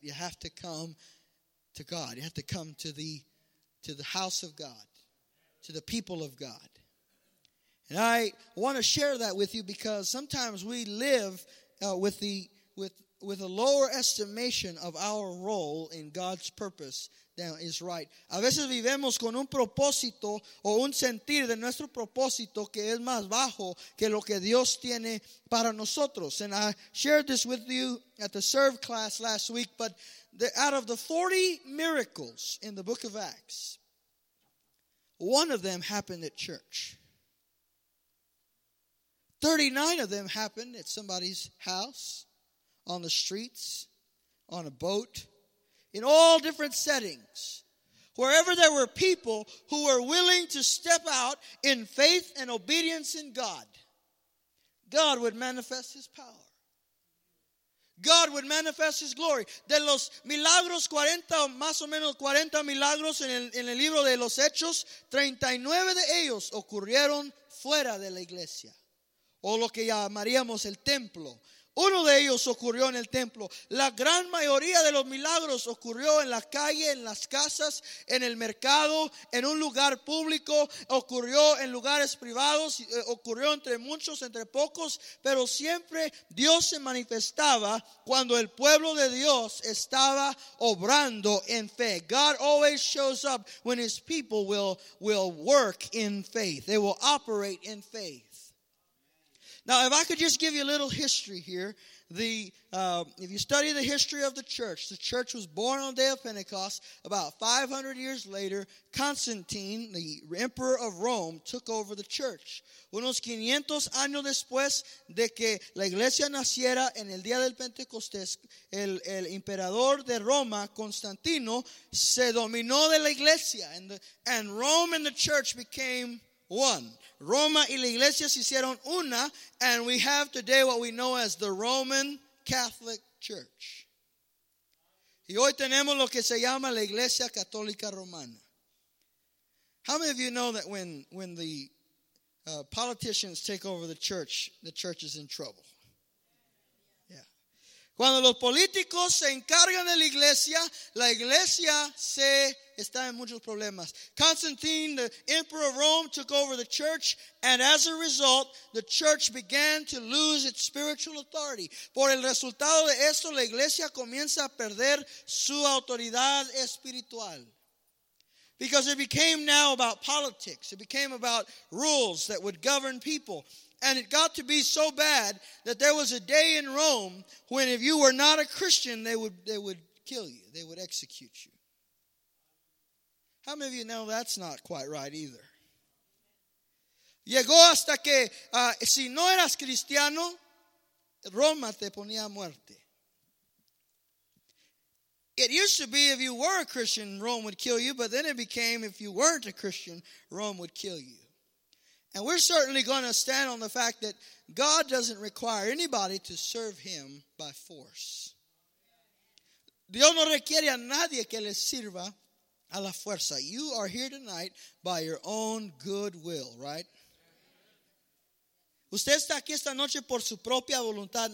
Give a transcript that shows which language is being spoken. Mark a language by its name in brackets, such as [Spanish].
[English] You have to come to God. You have to come to the house of God, to the people of God. And I want to share that with you because sometimes we live with with a lower estimation of our role in God's purpose than is right. [Spanish] A veces vivemos con un propósito o un sentir de nuestro propósito que es más bajo que lo que Dios tiene para nosotros. [English] And I shared this with you at the serve class last week, but out of the 40 miracles in the book of Acts, one of them happened at church. 39 of them happened at somebody's house, on the streets, on a boat, in all different settings. Wherever there were people who were willing to step out in faith and obedience in God, God would manifest his power. God would manifest his glory. [Spanish] De los milagros, 40, más o menos 40 milagros en el libro de los Hechos, 39 de ellos ocurrieron fuera de la iglesia. O lo que llamaríamos el templo. Uno de ellos ocurrió en el templo. La gran mayoría de los milagros ocurrió en la calle, en las casas, en el mercado, en un lugar público, ocurrió en lugares privados, ocurrió entre muchos, entre pocos, pero siempre Dios se manifestaba cuando el pueblo de Dios estaba obrando en fe. [English] God always shows up when his people will work in faith. They will operate in faith. Now, if I could just give you a little history here, if you study the history of the church was born on the day of Pentecost. About 500 years later, Constantine, the emperor of Rome, took over the church. [Spanish] Unos 500 años después de que la iglesia naciera en el día del Pentecostés, el emperador de Roma, Constantino, se dominó de la iglesia, [English] and Rome and the church became one. [Spanish] Roma y la iglesia se hicieron una, [English] and we have today what we know as the Roman Catholic Church. [Spanish] Y hoy tenemos lo que se llama la Iglesia Católica Romana. [English] How many of you know that when the politicians take over the church is in trouble? Yeah. [Spanish] Cuando los políticos se encargan de la iglesia se está en muchos problemas. [English] Constantine, the emperor of Rome, took over the church, and as a result, the church began to lose its spiritual authority. [Spanish] Por el resultado de esto, la iglesia comienza a perder su autoridad espiritual. [English] Because it became now about politics. It became about rules that would govern people. And it got to be so bad that there was a day in Rome when if you were not a Christian, they would kill you. They would execute you. How many of you know that's not quite right either? [Spanish] Llegó hasta que si no eras cristiano, Roma te ponía a muerte. [English] It used to be if you were a Christian, Rome would kill you, but then it became if you weren't a Christian, Rome would kill you. And we're certainly going to stand on the fact that God doesn't require anybody to serve him by force. [Spanish] Dios no requiere a nadie que le sirva a la fuerza. [English] You are here tonight by your own good will, right? [Spanish] Usted está aquí esta noche por su propia voluntad.